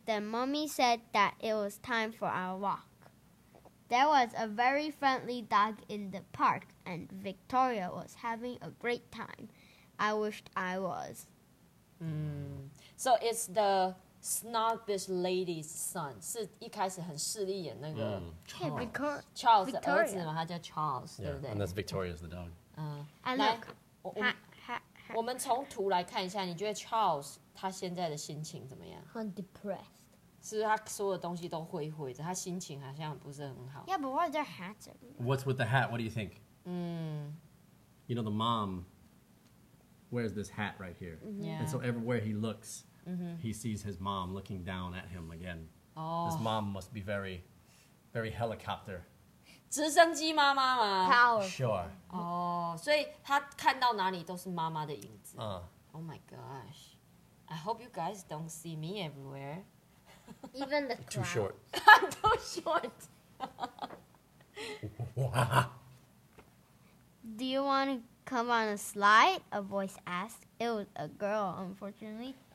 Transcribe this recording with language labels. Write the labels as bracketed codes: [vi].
[en] Then Mommy said that it was time for our walk. There was a very friendly dog in the park, and Victoria was having a great time. I wished I was. Mm. So it's the snobbish lady's son. [zh] 是一开始很势利眼那个 [en] Charles [zh] 的儿子嘛，他叫 Charles， 对不对？ [en] And that's Victoria's the dog. And look, [zh] 我们从图来看一下，你觉得 Charles 他现在的心情怎么样? 很 depressed. 是不是他所有东西都灰灰的，他心情好像不是很好。 [en] Yeah, but what is their hat? What's with the hat? What do you think? Mm. You know, the mom wears this hat right here. Yeah. And so everywhere he looks, he sees his mom looking down at him again. Oh. His mom must be very, very helicopter. [zh] 直升机妈妈吗? [en] Power. Sure. [zh] Oh, 所以他看到哪里都是妈妈的影子。 [en] Oh my gosh. I hope you guys don't see me everywhere. Even the clouds. Too short. Too short. Do you want to come on a slide? A voice asked. It was a girl, unfortunately.